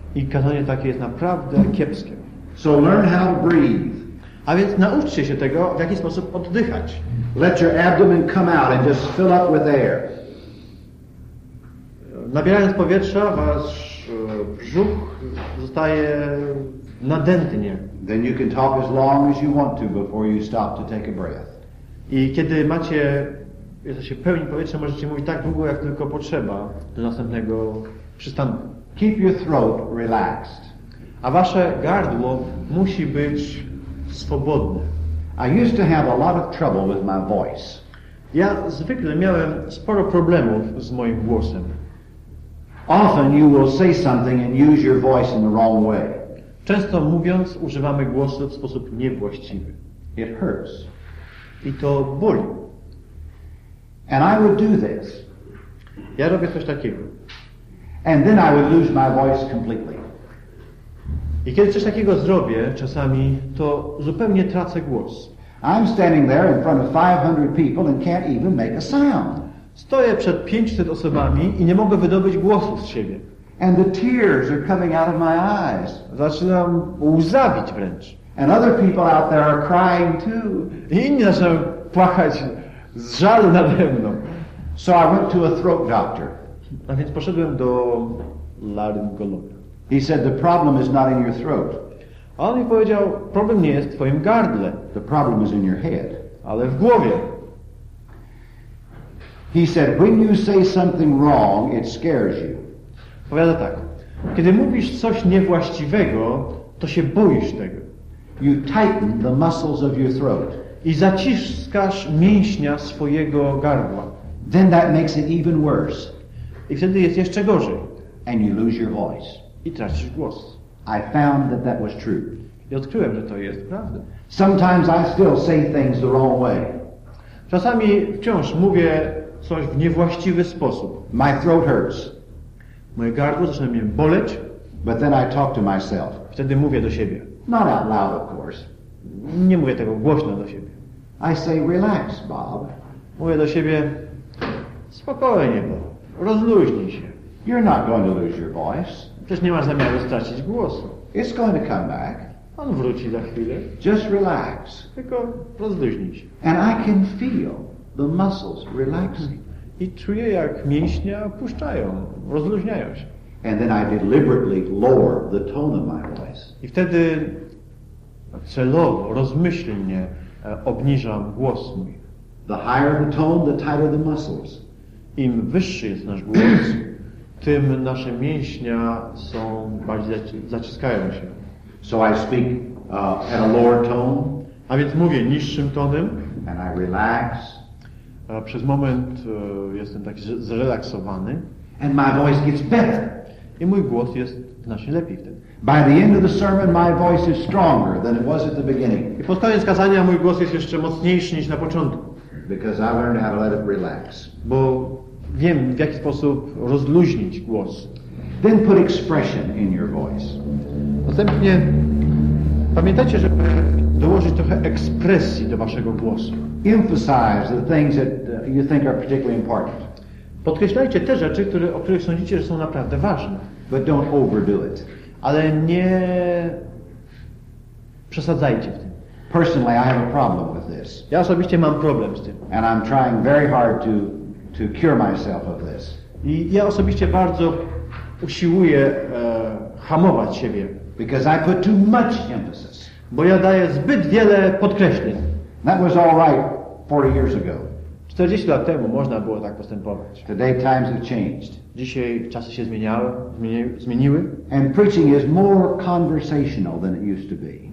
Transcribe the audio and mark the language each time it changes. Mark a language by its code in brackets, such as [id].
[pl] I kazanie takie jest naprawdę kiepskie. [en] So learn how to breathe. [pl] A więc nauczcie się tego, w jaki sposób oddychać. [en] Let your abdomen come out and just fill up with air. [pl] Nabierając powietrza, wasz brzuch zostaje nadętnie. [en] Then you can talk as long as you want to before you stop to take a breath. [pl] I kiedy macie, jesteście pełni powietrza, możecie mówić tak długo, jak tylko potrzeba do następnego przystanku. [en] Keep your throat relaxed. [pl] A wasze gardło musi być swobodne. [en] I used to have a lot of trouble with my voice. [pl] Ja zwykle miałem sporo problemów z moim głosem. [en] Often you will say something and use your voice in the wrong way. [pl] Często mówiąc, używamy głosu w sposób niewłaściwy. [en] It hurts. [pl] I to boli. [en] And I would do this. [pl] Ja robię coś takiego. [en] And then I would lose my voice completely. [pl] I kiedy coś takiego zrobię czasami, to zupełnie tracę głos. [en] I'm standing there in front of 500 people and can't even make a sound. [pl] Stoję przed 500 osobami i nie mogę wydobyć głosu z siebie. [en] And the tears are coming out of my eyes. [pl] Zaczynam łzawić wręcz. [en] And other people out there are crying too. [pl] I inni zaczynają płakać z żalu nade mną. [en] So I went to a throat doctor. [pl] A więc poszedłem do laryngologa. [en] He said the problem is not in your throat. [pl] On mi powiedział, problem nie jest w twoim gardle. [en] The problem is in your head. [pl] Ale w głowie. [en] He said, when you say something wrong, it scares you. [pl] Powiada tak. Kiedy mówisz coś niewłaściwego, to się boisz tego. [en] You tighten the muscles of your throat. [pl] I zaciskasz mięśnia swojego gardła. [en] Then that makes it even worse. [pl] I wtedy jest jeszcze gorzej. [en] And you lose your voice. [pl] I tracisz głos. [en] I found that that was true. [pl] I odkryłem, że to jest prawda. [en] Sometimes I still say things the wrong way. [pl] Czasami wciąż mówię coś w niewłaściwy sposób. [en] My throat hurts. [pl] Moje gardło zaczyna mnie boleć. [en] But then I talk to myself. [pl] Wtedy mówię do siebie. [en] Not out loud, of course. [pl] Nie mówię tego głośno do siebie. [en] I say, relax, Bob. [pl] Mówię do siebie, spokojnie, Bob. Rozluźnij się. [en] You're not going to lose your voice. [pl] Przecież nie masz zamiaru stracić głosu. [en] It's going to come back. [pl] On wróci za chwilę. [en] Just relax. [pl] Tylko rozluźnij się. [en] And I can feel the muscles relaxing. [pl] I czuję, jak mięśnia opuszczają, rozluźniają się. [en] And then I deliberately lower the tone of my voice. [pl] I wtedy celowo, rozmyślnie obniżam głos mój. [en] The higher the tone, the tighter the muscles. [pl] Im wyższy jest nasz głos, tym nasze mięśnia są bardziej zaciskają się. [en] So I speak at a lower tone. [pl] A więc mówię niższym tonem. [en] And I relax. [pl] Przez moment jestem taki zrelaksowany. [en] And my voice gets better. [pl] I mój głos jest znacznie lepiej wtedy. [en] By the end of the sermon, my voice is stronger than it was at the beginning. [pl] I pod koniec kazania mój głos jest jeszcze mocniejszy niż na początku. [en] Because I learned how to let it relax. [pl] Bo wiem, w jaki sposób rozluźnić głos. [en] Then put expression in your voice. [pl] Następnie pamiętajcie, żeby dołożyć trochę ekspresji do waszego głosu. [en] Emphasize the things that you think are particularly important. [pl] Podkreślajcie te rzeczy, o których sądzicie, że są naprawdę ważne. [en] But don't overdo it. [pl] Ale nie przesadzajcie w tym. [en] Personally, I have a problem with this. [pl] Ja osobiście mam problem z tym. [en] And I'm trying very hard to cure myself of this. [pl] I ja osobiście bardzo usiłuję hamować siebie. [en] Because I put too much emphasis. [pl] Bo ja daję zbyt wiele podkreśleń. [en] That was all right 40 years ago. [pl] 40 lat temu można było tak postępować. [en] Today times have changed. [pl] Dzisiaj czasy się zmieniły. [en] And preaching is more conversational than it used to be.